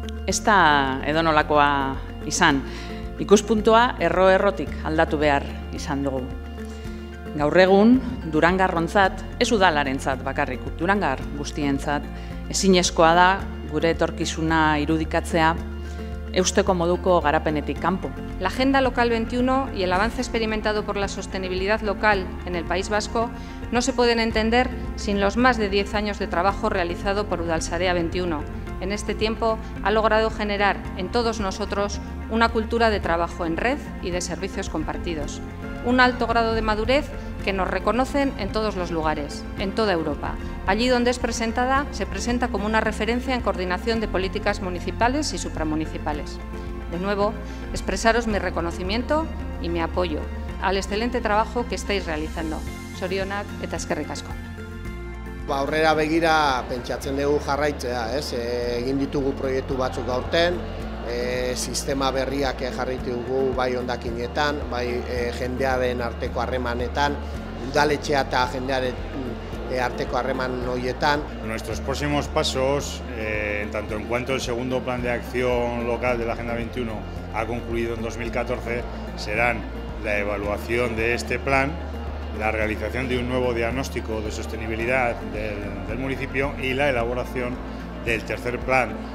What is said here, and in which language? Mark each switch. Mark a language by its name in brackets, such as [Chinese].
[Basque] Ez da edonolakoa izan, ikuspuntua erro-errotik aldatu behar izan dugu. Gaur egun, durangarrontzat, ez udalarentzat bakarrik, durangar guztientzat, ezinezkoa da gure etorkizuna irudikatzea eusteko moduko garapenetik kanpo. [Spanish] La Agenda Local 21 y el avance experimentado por la sostenibilidad local en el País Vasco no se pueden entender sin los más de 10 años de trabajo realizado por Udal Sarea 21. En este tiempo ha logrado generar en todos nosotros una cultura de trabajo en red y de servicios compartidos. Un alto grado de madurez que nos reconocen en todos los lugares, en toda Europa. Allí donde es presentada, se presenta como una referencia en coordinación de políticas municipales y supramunicipales. De nuevo, expresaros mi reconocimiento y mi apoyo al excelente trabajo que estáis realizando. [Basque] Sorionak eta eskerrik asko. Aurrera begira pentsatzen dugu jarraitzea, ez? Egin ditugu proiektu batzuk aurten, sistema berriak jarraitu dugu bai hondakinetan, bai jendearen arteko harremanetan, udaletxea eta jendearen arteko harreman horietan. [Spanish] Nuestros próximos pasos, tanto en cuanto el segundo plan de acción local de la Agenda 21 ha concluido en 2014, serán la evaluación de este plan, la realización de un nuevo diagnóstico de sostenibilidad del municipio y la elaboración del tercer plan